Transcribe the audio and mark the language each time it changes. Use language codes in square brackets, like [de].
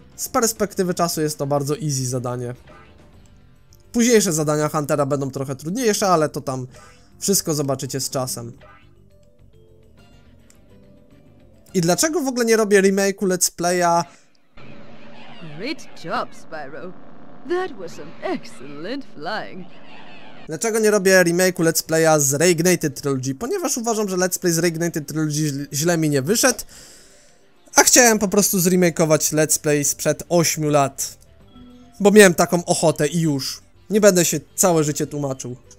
[pl] z perspektywy czasu jest to bardzo easy zadanie. Późniejsze zadania Huntera będą trochę trudniejsze, ale to tam wszystko zobaczycie z czasem. I dlaczego w ogóle nie robię remake'u Let's Play'a? [en] Great job, Spyro. That was some excellent flying. [pl] Dlaczego nie robię remake'u Let's Play'a z Reignited Trilogy? Ponieważ uważam, że Let's Play z Reignited Trilogy źle mi nie wyszedł. A chciałem po prostu zremake'ować Let's Play sprzed 8 lat. Bo miałem taką ochotę i już. Nie będę się całe życie tłumaczył.